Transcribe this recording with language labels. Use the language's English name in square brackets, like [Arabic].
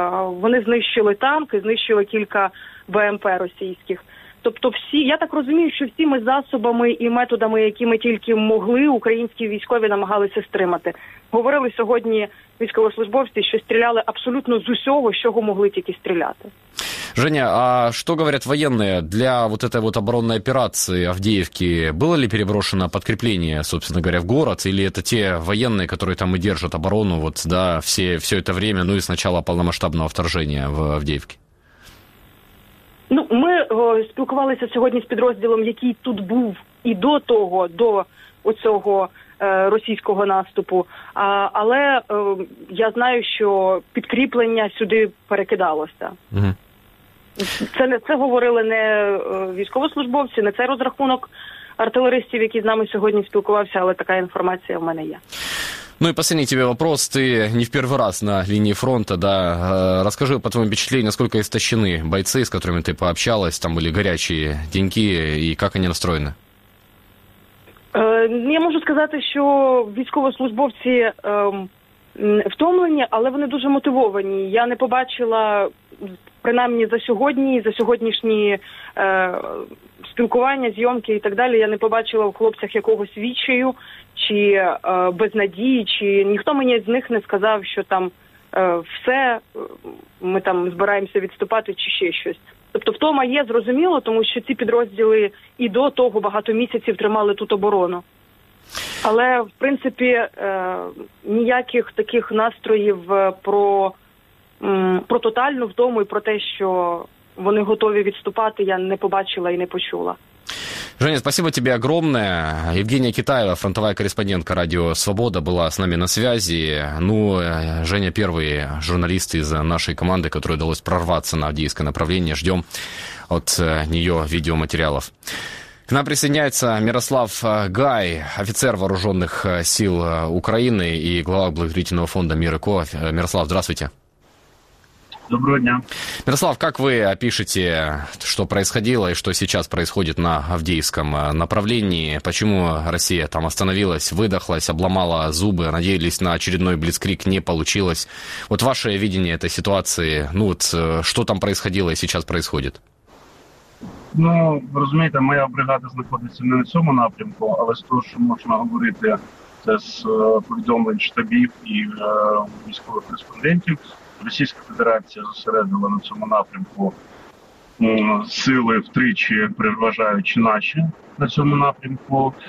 [Ukrainian] Вони знищили танки, знищили кілька БМП російських. Тобто всі, я так розумію, що всіми засобами і методами, які ми тільки могли, українські військові намагалися стримати. Говорили сьогодні військовослужбовці, що стріляли абсолютно з усього, з чого могли тільки стріляти. [Russian] Женя, а что говорят военные для вот этой вот оборонной операции Авдеевки? Было ли переброшено подкрепление, собственно говоря, в город? Или это те военные, которые там и держат оборону вот, да, все это время, ну и с начала полномасштабного вторжения в Авдеевке? [Ukrainian] Ну, мы спілкувалися сьогодні з підрозділом, який тут був і до того, до оцього російського наступу. Але я знаю, що підкріплення сюди перекидалося. Це говорили не військовослужбовці, не цей розрахунок артилеристів, які з нами сьогодні спілкувався, але така інформація в мене є. [Russian] Ну и последний тебе вопрос. Ты не в первый раз на линии фронта, да. Расскажи по твоим впечатлениям, насколько истощены бойцы, с которыми ты пообщалась, там были горячие деньки, и как они настроены? [Ukrainian] Я можу сказати, що військовослужбовці втомлені, але вони дуже мотивовані. Я не побачила, принаймні за сьогоднішні спілкування, зйомки і так далі, я не побачила в хлопцях якогось відчаю чи безнадії, чи ніхто мені з них не сказав, що там все, ми там збираємося відступати чи ще щось. Тобто втома є, зрозуміло, тому що ці підрозділи і до того багато місяців тримали тут оборону. Але, в принципі, ніяких таких настроїв про тотальну втому і про те, що вони готові відступати, я не побачила і не почула. [Russian] Женя, спасибо тебе огромное. Евгения Китаева, фронтовая корреспондентка Радио Свобода, была с нами на связи. Ну, Женя, первый журналист из нашей команды, которой удалось прорваться на авдеевское направление. Ждем от нее видеоматериалов. К нам присоединяется Мирослав Гай, офицер вооруженных сил Украины и глава благотворительного фонда «Мир и Ко». Мирослав, здравствуйте. [Ukrainian] Доброго дня. [Russian] Мирослав, как вы опишете, что происходило и что сейчас происходит на Авдеевском направлении? Почему Россия там остановилась, выдохлась, обломала зубы, надеялись на очередной блицкриг, не получилось? Вот ваше видение этой ситуации, ну вот что там происходило и сейчас происходит? [Ukrainian] Ну, розумієте, моя бригада знаходиться не на цьому напрямку, але з того, що можна говорити, це з повідомлень штабів і військових респондентів. Російська Федерація зосередила на цьому напрямку сили втричі, переважаючи наші на цьому напрямку.